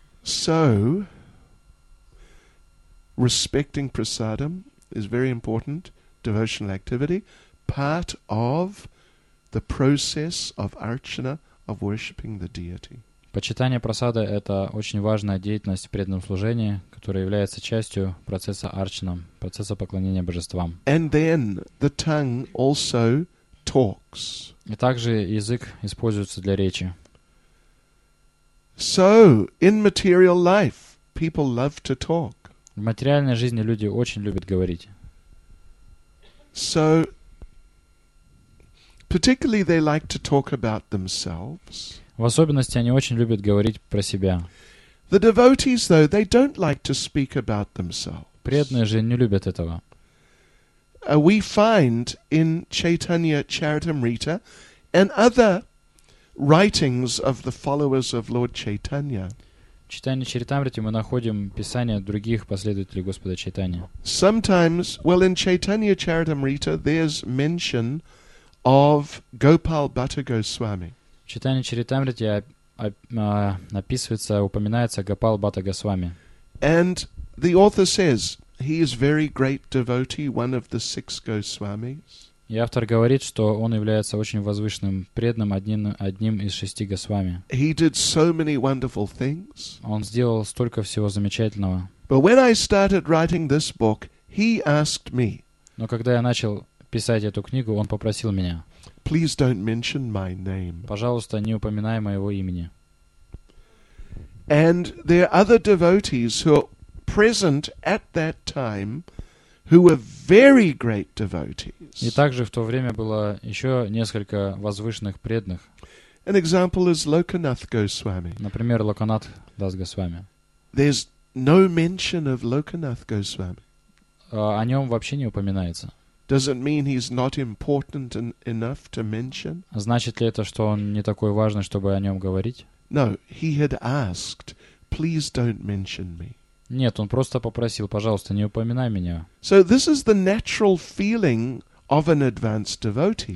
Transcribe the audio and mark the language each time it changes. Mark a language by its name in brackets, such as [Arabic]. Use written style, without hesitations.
[English] So, respecting prasadam is very important devotional activity, part of the process of archana, of worshipping the deity. [Russian] Почитание прасады — это очень важная деятельность в преданном служении, которая является частью процесса арчана, процесса поклонения божествам. [English] And then the tongue also talks. [Russian] И также язык используется для речи. [English] So, in material life, people love to talk. [Russian] В материальной жизни люди очень любят говорить. [English] So, particularly they like to talk about themselves. [Russian] В особенности они очень любят говорить про себя. [English] The devotees, though, they don't like to speak about themselves. [Russian] Преданные же не любят этого. [English] We find in Chaitanya Charitamrita and other writings of the followers of Lord Chaitanya. [Russian] В Чайтанья Чаритамрите мы находим писания других последователей Господа Чайтаньи. [English] Sometimes, well, in Chaitanya Charitamrita, there's mention of Gopal Bhatta Goswami. [Russian] В Чайтанья Чаритамрите описывается, упоминается Гопал Бхатта Госвами. [English] And the author says, he is very great devotee, one of the six Goswamis. [Russian] И автор говорит, что он является очень возвышенным преданным, одним из шести Госвами. [English] He did so many wonderful things. [Russian] Он сделал столько всего замечательного. [English] But when I started writing this book, he asked me. [Russian] Но когда я начал писать эту книгу, он попросил меня. [English] Please don't mention my name. [Russian] Пожалуйста, не упоминай моего имени. [English] And there are other devotees who are present at that time who were very great devotees. [Russian] И также в то время было еще несколько возвышенных преданных. [English] An example is Lokanath Goswami. [Russian] Например, Локанат Дас Госвами. [English] There's no mention of Lokanath Goswami. [Russian] О нем вообще не упоминается. [English] Does it mean he's not important enough to mention? [Russian] Значит ли это, что он не такой важный, чтобы о нем говорить? [English] No, he had asked, please don't mention me. [Russian] Нет, он просто попросил, пожалуйста, не упоминай меня. [English] So this is the natural feeling of an advanced devotee.